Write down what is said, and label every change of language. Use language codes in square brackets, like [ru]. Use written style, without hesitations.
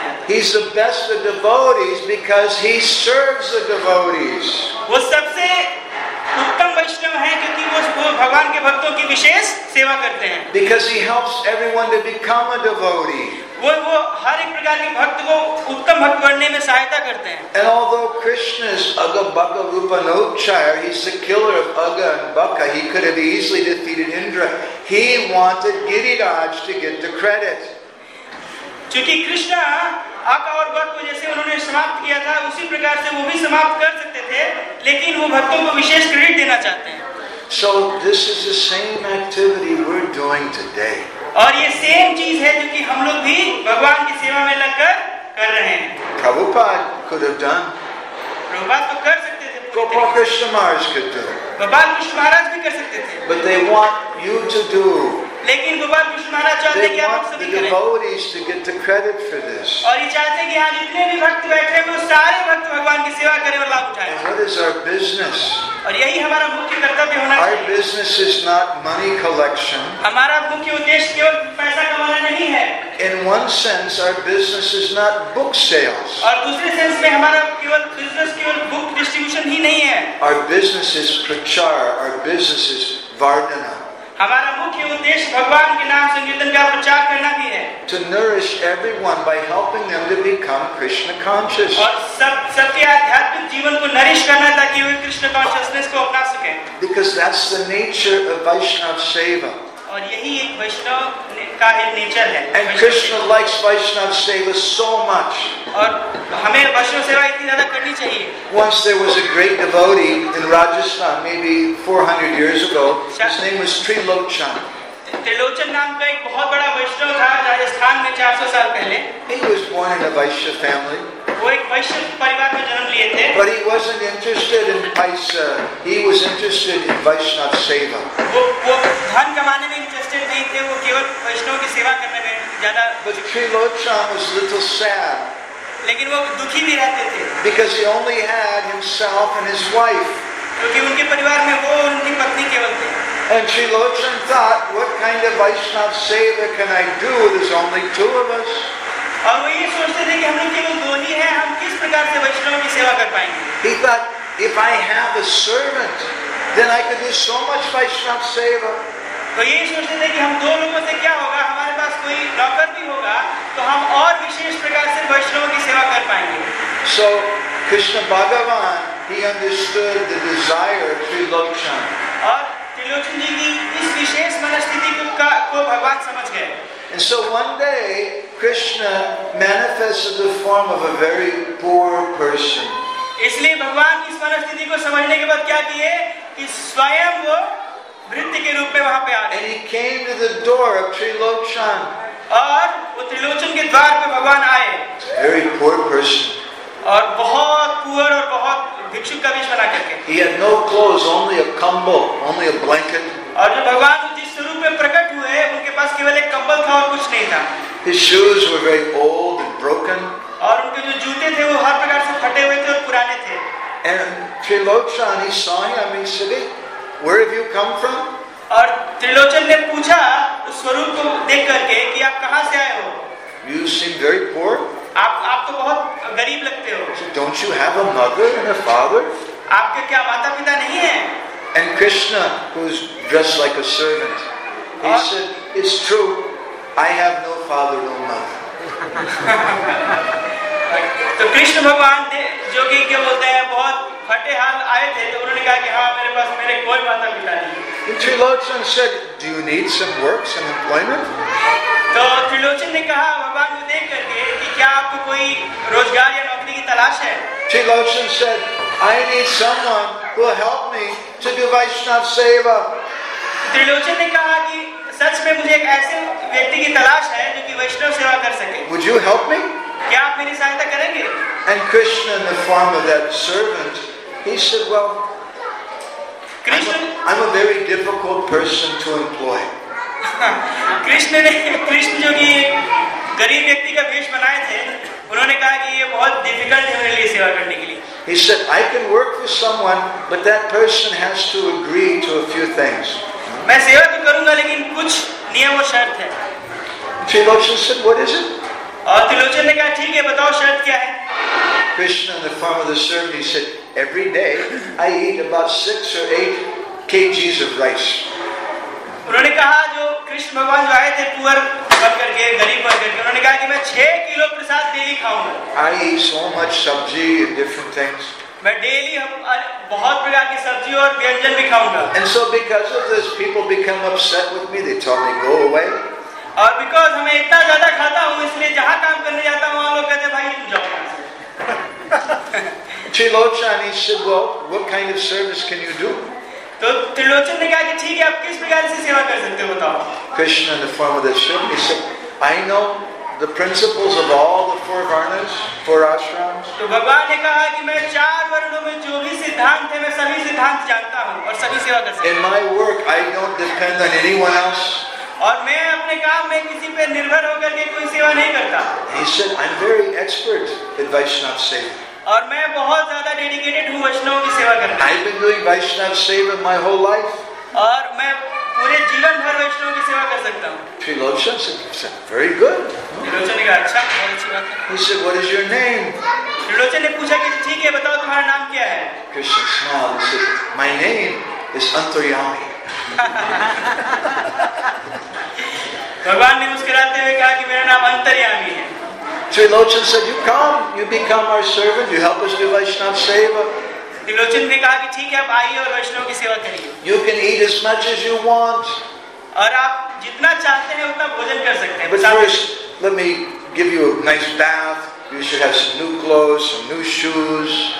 [en] He's the best of devotees because he serves the devotees. [hi] वो सबसे उत्तम वैष्णव है क्योंकि वो भगवान के भक्तों की विशेष सेवा करते हैं. [en] Because he helps everyone to become a devotee. [hi] वो हर एक प्रकार के भक्त को उत्तम भक्त बनने में सहायता करते हैं. [en] And although Krishna is Aga Baka Rupanochaya, he's the killer of Aga and Baka. He could have easily defeated Indra. He wanted Giriraj to get the credit. [hi] क्योंकि कृष्णा आका और भक्त को जैसे उन्होंने समाप्त किया था उसी प्रकार से वो भी समाप्त कर सकते थे लेकिन वो भक्तों को विशेष क्रेडिट देना चाहते हैं. [en] So this is the same activity we're doing today. [hi] और ये सेम चीज है जो कि हम लोग भी भगवान की सेवा में लगकर कर रहे हैं. [en] Prabhupada could have done. [hi] Prabhupada तो कर सकते थे. [en] Gopal Krishna Maharaj could do. [hi] Gopal Krishna महाराज भी कर सकते थे. [en] But they want you to do. [hi] लेकिन गोपाल कृष्ण महाराज चाहते कि आप सभी करें. [en] They want the devotees to get the credit for this. [hi] और ये चाहते हैं कि यहाँ जितने भी भक्त बैठे हैं वो सारे भक्त भगवान की सेवा करें और लाभ उठाएं. [en] And what is our business? [hi] और यही हमारा मुख्य कर्तव्य होना चाहिए. [en] Our business is not money collection. [hi] हमारा मुख्य उद्देश्य केवल पैसा कमाना नहीं है. [en] In one sense, our business is not book sales. [hi] और दूसरे सेंस में हमारा केवल बिजनेस केवल बुक डिस्ट्रीब्यूशन ही नहीं है. [en] Our business is prachar. Our business is vardhana. [hi] हमारा मुख्य उद्देश्य भगवान के नाम संकीर्तन का प्रचार करना भी है. [en] To nourish everyone by helping them to become Krishna conscious. [hi] और सबके आध्यात्मिक जीवन को नरिश करना ताकि वे कृष्ण कॉन्शियसनेस को अपना सके. [en] Because that's the nature of Vaishnav seva. [hi] और यही एक वैष्णव का ही नेचर है. [en] And Krishna likes Vaishnav seva so much. [hi] और हमें वैष्णव सेवा इतनी ज्यादा करनी चाहिए. [en] Once there was a great devotee in Rajasthan, maybe 400 years ago. His name was Trilochan. [hi] Trilochan नाम का एक बहुत बड़ा वैष्णव था राजस्थान में 400 साल पहले. [en] He was born in a Vaishya family. [hi] वो एक वैश्य परिवार में जन्म लिए थे. [en] But he wasn't interested in paisa. He was interested in Vaishnav seva. [hi] वो धन कमाने में इंटरेस्टेड नहीं थे. वो केवल वैष्णव की सेवा करने में ज्यादा. [en] But Trilochan was a little sad. [hi] लेकिन वो दुखी भी रहते थे. [en] Because he only had himself and his wife. [hi] क्योंकि उनके परिवार में वो उनकी पत्नी केवल थे. [en] And Trilochan thought, what kind of Vaishnav seva can I do? There's only two of us. [hi] और वो ये सोचते थे कि हम लोग केवल दो ही हैं, हम किस प्रकार से वैष्णव की सेवा कर पाएंगे? [en] He thought, if I have a servant, then I could do so much Vaishnav seva. [hi] तो ये सोचते थे कि हम दो लोगों से क्या होगा? हमारे पास कोई नौकर भी होगा, तो हम और विशेष प्रकार से वैष्णव की सेवा कर पाएंगे. [en] So, Krishna Bhagavan, he understood the desire of Trilochan. [hi] और त्रिलोचन जी की इस विशेष मनस्थिति को भगवान समझ गए. [en] And so one day Krishna manifested the form of a very poor person. [hi] इसलिए भगवान इस परिस्थिति को समझने के बाद क्या किए कि स्वयं वो वृद्ध के रूप में वहां पे आए. [en] And he came to the door of Trilochan. [hi] और वो त्रिलोचन के द्वार पे भगवान आए. [en] Very poor person. [hi] और बहुत पुअर और बहुत भिक्षुक का भी बना करके. [en] He had no clothes, only a kambal, only a blanket. [hi] और जो भगवान जिस स्वरूप में प्रकट हुए उनके पास केवल एक कंबल था और कुछ नहीं था. [en] His shoes were very old and broken. [hi] और उनके जो जूते थे वो हर प्रकार से फटे हुए थे और पुराने थे. [en] And Trilochan, he saw him, he said, "Where have you come from?" [hi] और त्रिलोचन ने पूछा उस स्वरूप को देख करके कि आप कहाँ से आए हो. [en] You seem very poor. [hi] आप तो बहुत गरीब लगते हो. [en] Don't you have a mother and a father? [hi] आपके क्या माता पिता नहीं है? [en] And Krishna, who's dressed like a servant, he said, "It's true. I have no father, no mother." [hi] तो कृष्ण भगवान जो कि क्या बोलते हैं बहुत फटे हाल आए थे तो उन्होंने कहा कि हाँ मेरे पास मेरे कोई माता पिता नहीं. [en] Trilochan said, "Do you need some work, some employment?" [hi] तो त्रिलोचन ने कहा भगवान को देख करके कि क्या आपको कोई रोजगार या नौकरी की तलाश है? [en] Trilochan said, "I need someone who will help me to do Vaishnava seva." [hi] Trilochan ने कहा कि सच में मुझे एक ऐसे व्यक्ति की तलाश है जो कि वैष्णव सेवा कर सके. [en] Would you help me? [hi] क्या आप मेरी सहायता करेंगे? [en] And Krishna, in the form of that servant, he said, "Well, Krishna, I'm a very difficult person to employ." [hi] Krishna ने कृष्ण जो कि गरीब व्यक्ति का वेश बनाए थे, उन्होंने कहा कि ये बहुत difficult है मेरे लिए सेवा करने के लिए. [en] He said, "I can work for someone, but that person has to agree to a few things." [hi] मैं सेवा तो करूंगा लेकिन कुछ नियम और शर्त है. [en] Trilochan said, "What is it?" [hi] और त्रिलोचन ने कहा ठीक है बताओ शर्त क्या है. [en] Krishna, in the form of the servant, he said, "Every day I eat about 6 or 8 kgs of rice." [hi] उन्होंने कहा जो कृष्ण भगवान जो आए थे पुअर बनकर के गरीब बनकर के उन्होंने कहा कि मैं 6 किलो प्रसाद डेली खाऊंगा. [en] I eat so much sabji and different things. [hi] मैं डेली बहुत प्रकार की सब्जी और व्यंजन भी खाऊंगा. [en] And so because of this, people become upset with me. They tell me, "Go away." [hi] और बिकॉज मैं इतना ज्यादा खाता हूँ इसलिए जहाँ काम करने जाता हूँ वहाँ लोग कहते हैं भाई तुम जाओ. [en] Trilochan [hi] ने कहा, [en] "Well, what kind of service can you do?" [hi] तो त्रिलोचन ने कहा कि ठीक है आप किस प्रकार से सेवा कर सकते हो बताओ. [en] Krishna, in the form of the servant, he said, "I know the principles of all the four varnas, four ashrams." [hi] तो भगवान ने कहा कि मैं चार वर्णों में जो भी सिद्धांत है मैं सभी सिद्धांत जानता हूँ और सभी सेवा कर सकता हूँ. [en] In my work, I don't depend on anyone else. [hi] और मैं अपने काम में किसी पे निर्भर होकर के कोई सेवा नहीं करता. [en] He said, "I'm very expert in Vaishnav seva." [hi] और मैं बहुत ज्यादा डेडिकेटेड हूँ वैष्णव की सेवा करने. [en] I've been doing Vaishnav seva my whole life. [hi] और मैं पूरे जीवन भर वैष्णव की सेवा कर सकता हूँ. [en] Trilochan said, "Very good." [hi] Trilochan ने कहा, "अच्छा, बहुत अच्छी बात है." [en] He said, "What is your name?" [hi] Trilochan ने पूछा कि ठीक है बताओ तुम्हारा नाम क्या है. [en] Krishna smiled and said, "My name is Antaryami." [hi] भगवान ने मुस्कुराते हुए कहा कि मेरा नाम अंतर्यामी है. [en] Trilochan said, "You come, you become our servant, you help us do Vaishnava seva." [hi] Trilochan ने कहा कि ठीक है आप आइए और वैष्णव की सेवा करिए. [en] "You can eat as much as you want." [hi] और आप जितना चाहते हैं उतना भोजन कर सकते हैं. [en] "But first, let me give you a nice bath. You should have some new clothes, some new shoes."